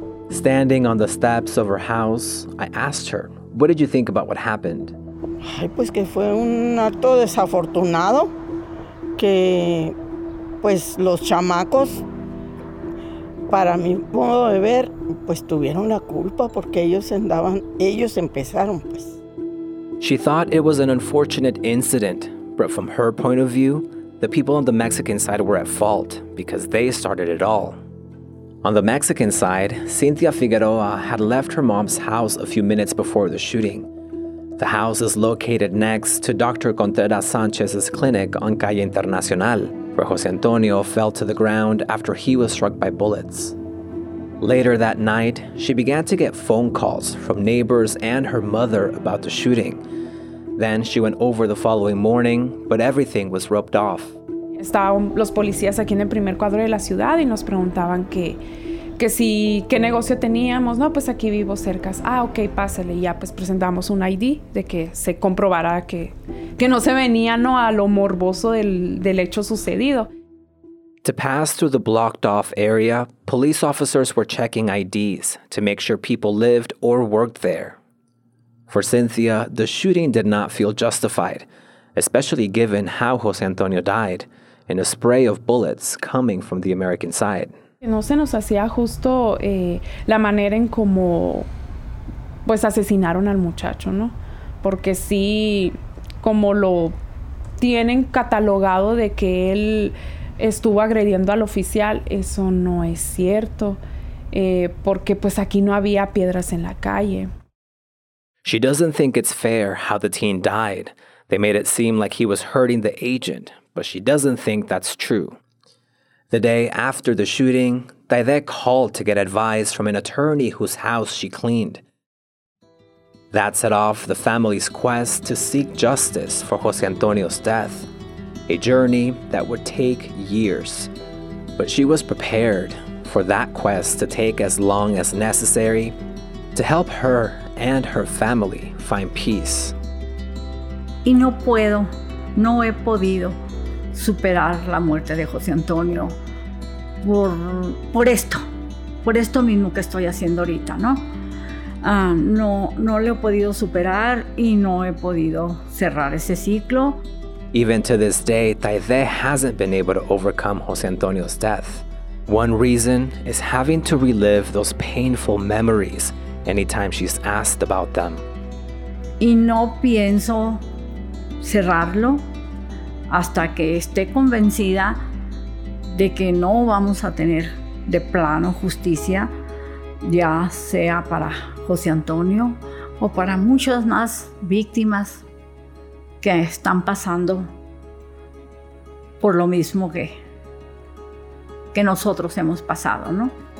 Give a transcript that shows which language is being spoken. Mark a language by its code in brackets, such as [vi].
[en] Standing on the steps of her house, I asked her, what did you think about what happened? [es] Ay, pues que fue un acto desafortunado, que pues los chamacos, para mi modo de ver, pues tuvieron la culpa porque ellos empezaron, pues. [en] She thought it was an unfortunate incident, but from her point of view, the people on the Mexican side were at fault because they started it all. On the Mexican side, Cynthia Figueroa had left her mom's house a few minutes before the shooting. The house is located next to Dr. Contreras Sanchez's clinic on Calle Internacional, where Jose Antonio fell to the ground after he was struck by bullets. Later that night, she began to get phone calls from neighbors and her mother about the shooting. Then she went over the following morning, but everything was roped off. [es] Estaban los policías aquí en el primer cuadro de la ciudad y nos preguntaban qué negocio teníamos. No, pues aquí vivo cerca. Ah, okay, pásale. Y ya pues presentamos un ID de que se comprobara que no se venía, ¿no?, a lo morboso del hecho sucedido. [en] To pass through the blocked off area, police officers were checking IDs to make sure people lived or worked there. For Cynthia, the shooting did not feel justified, especially given how Jose Antonio died in a spray of bullets coming from the American side. [es] No se nos hacía justo la manera en como pues asesinaron al muchacho, ¿no? Porque sí, como lo tienen catalogado de que él estuvo agrediendo al oficial, eso no es cierto, porque pues aquí no había piedras en la calle. [en] She doesn't think it's fair how the teen died. They made it seem like he was hurting the agent, but she doesn't think that's true. The day after the shooting, Taide called to get advice from an attorney whose house she cleaned. That set off the family's quest to seek justice for Jose Antonio's death, a journey that would take years. But she was prepared for that quest to take as long as necessary to help her and her family find peace. [es] Y no puedo, no he podido superar la muerte de José Antonio por esto mismo que estoy haciendo ahorita, ¿no? No lo he podido superar y no he podido cerrar ese ciclo. [en] Even to this day, Taide hasn't been able to overcome José Antonio's death. One reason is having to relive those painful memories anytime she's asked about them. [es] Y no pienso cerrarlo hasta que esté convencida de que no vamos a tener de plano justicia, ya sea para José Antonio o para muchas más víctimas que están pasando por lo mismo que nosotros hemos pasado, ¿no?